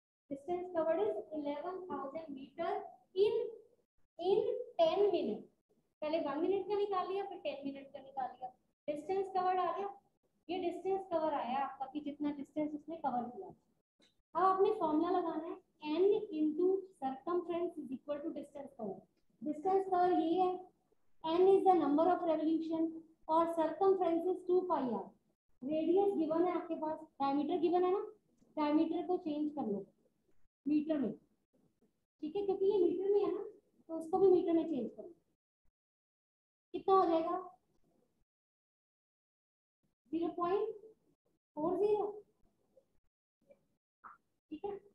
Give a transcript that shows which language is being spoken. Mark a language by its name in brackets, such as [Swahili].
[English] Distance covered is 11,000 metre in 10 minute. [Hindi] पहले 1 minute का निकाल लिया, फिर 10 मिनट का निकाल लिया, डिस्टेंस कवर्ड आ गया। ये डिस्टेंस कवर आया आपका कि जितना डिस्टेंस उसने कवर किया। अब आपने फॉर्मूला लगाना है, [English] N into circumference is equal to distance cover. Distance cover [Hindi] ये है, [English] n is the number of revolution और circumference is 2πr। [Hindi] radius given है आपके पास, diameter given है ना, diameter को change कर लो meter में, ठीक है? क्योंकि ये meter में है ना, तो उसको भी meter में change करो। कितना हो जाएगा? 0.40, ठीक है?